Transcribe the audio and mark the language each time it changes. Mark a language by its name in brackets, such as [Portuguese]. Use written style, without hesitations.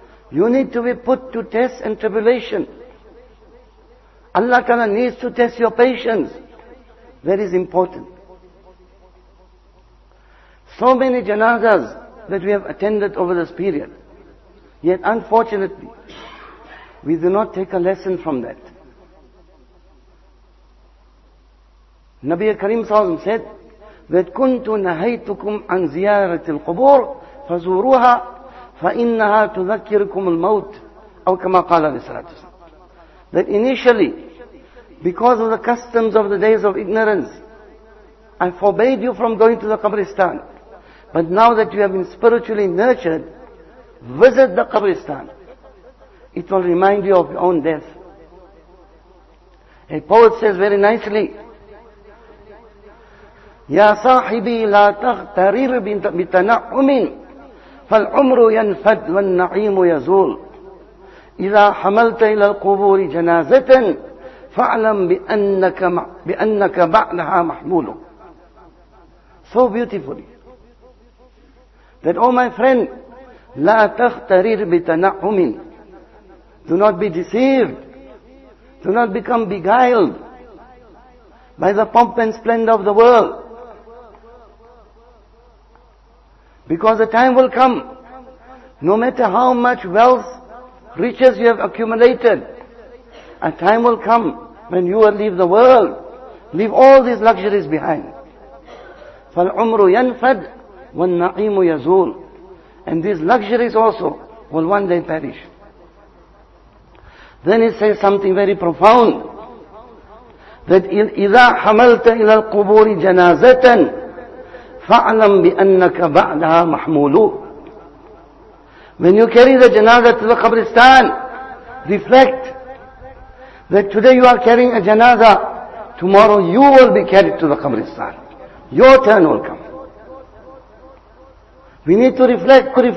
[English] You need to be put to test and tribulation. Allah Ta'ala needs to test your patience. That is important. So many janazas that we have attended over this period. Yet unfortunately, we do not take a lesson from that. Nabi Karim Sallallahu Alaihi Wasallam said, [Arabic] وَتْكُنْتُ نَهَيْتُكُمْ عَنْ زِيَارَةِ الْقُبُورِ فَزُورُوهَا فَإِنَّهَا تُذَكِّرُكُمُ الْمَوْتِ أو كما قال عليه الصلاة والسلام. [English] That initially, because of the customs of the days of ignorance, I forbade you from going to the Qabristan. But now that you have been spiritually nurtured, visit the Qabristan. It will remind you of your own death. A poet says very nicely, [Arabic] يَا صَاحِبِي لَا تَغْتَرِرْ بِتَنَعُمٍ فَالْعُمْرُ يَنْفَدْ وَالنَّعِيمُ يَزُولُ إِذَا حَمَلْتَ إِلَى الْقُبُورِ جَنَازَةً فَعْلَمْ بِأَنَّكَ بَعْدَهَا مَحْمُولُ. [English] So beautifully. That, oh my friend, [Arabic] لَا تَغْتَرِرْ بِتَنَعُمٍ. [English] Do not be deceived. Do not become beguiled by the pomp and splendor of the world. Because the time will come, no matter how much wealth, riches you have accumulated, a time will come when you will leave the world, leave all these luxuries behind. [Arabic] فَالْعُمْرُ يَنْفَدْ وَالنَّعِيمُ يَزُولُ. [English] And these luxuries also will one day perish. Then he says something very profound, that [Arabic] إِذَا حَمَلْتَ إِلَى الْقُبُورِ جَنَازَةً فَعْلَمْ بِأَنَّكَ بَعْدَهَا مَحْمُولُ. [English] When you carry the janazah to the Qabristan, reflect that today you are carrying a janazah, tomorrow you will be carried to the Qabristan. Your turn will come. We need to reflect.